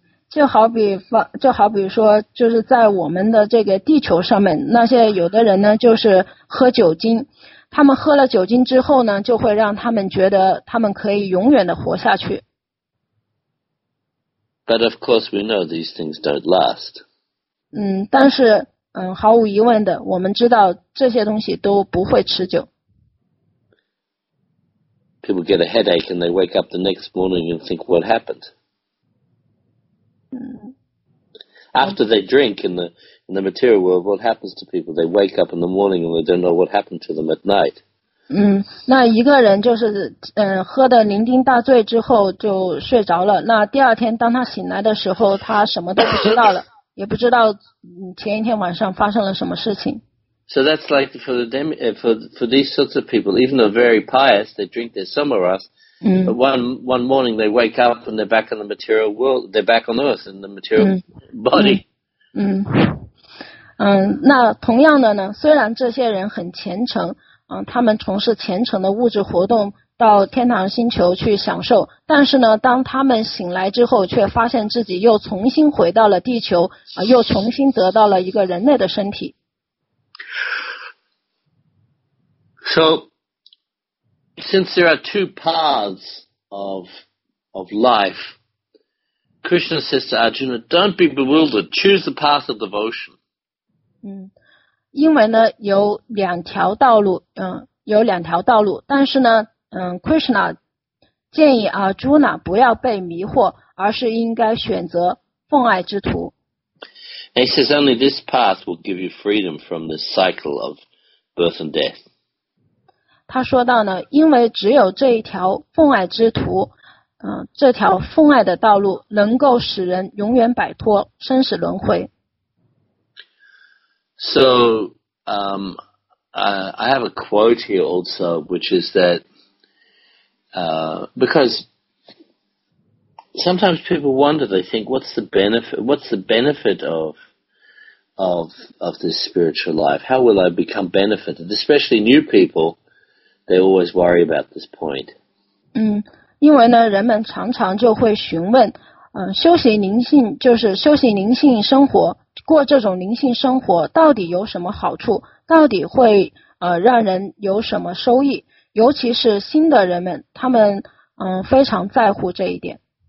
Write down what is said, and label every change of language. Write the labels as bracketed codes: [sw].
[zh] 就好比说，就是在我们的这个地球上面，那些有的人呢，就是喝酒精，他们喝了酒精之后呢，就会让他们觉得他们可以永远的活下去。 [en] But of course, we know these things don't last. 但是毫无疑问的，我们知道这些东西都不会持久。 People get a headache and they wake up the next morning and think what happened. After they drink in the material world, what happens to people? They wake up in the morning and they don't know what happened to them at night. [zh] 那一个人就是喝的酩酊大醉之后就睡着了。那第二天当他醒来的时候，他什么都不知道了，也不知道前一天晚上发生了什么事情。 [en] So that's like for these sorts of people, even though very pious, they drink their samaras, but one morning they wake up and they're back in the material world, they're back on earth in the material body. [zh] 那同样的呢，虽然这些人很虔诚，他们从事虔诚的物质活动到天堂星球去享受，但是呢，当他们醒来之后，却发现自己又重新回到了地球，又重新得到了一个人类的身体。 [en] So, since there are two paths of life, Krishna says to Arjuna, don't be bewildered, choose the path of devotion. [zh] 因为呢有两条道路，有两条道路，但是呢，Krishna 建议Arjuna 不要被迷惑，而是应该选择奉爱之途。 [en] And he says only this path will give you freedom from the cycle of birth and death. [zh] 他说到呢，因为只有这一条奉爱之途，这条奉爱的道路能够使人永远摆脱生死轮回。 [en] So, I have a quote here also, which is that, because sometimes people wonder, they think, what's the benefit of this spiritual life? How will I become benefited? Especially new people, they always worry about this point. [zh] 因为呢，人们常常就会询问，修习灵性，就是修习灵性生活，过这种灵性生活到底有什么好处？到底会让人有什么收益？尤其是新的人们，他们非常在乎这一点。